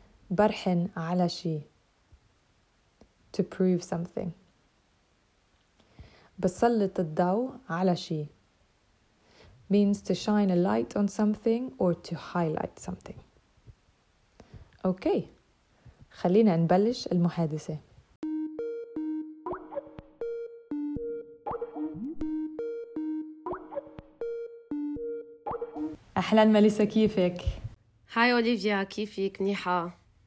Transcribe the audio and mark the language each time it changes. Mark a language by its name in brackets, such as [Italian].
[Arabic] برهن على شيء, [English] to prove something. [Arabic] بسلط الضوء على شيء [English] means to shine a light on something or to highlight something. [Arabic] Okay, خلينا نبلش المحادثة. أهلا ماليسا, كيفك؟ هاي أوليفيا, كيفك؟ منيحة؟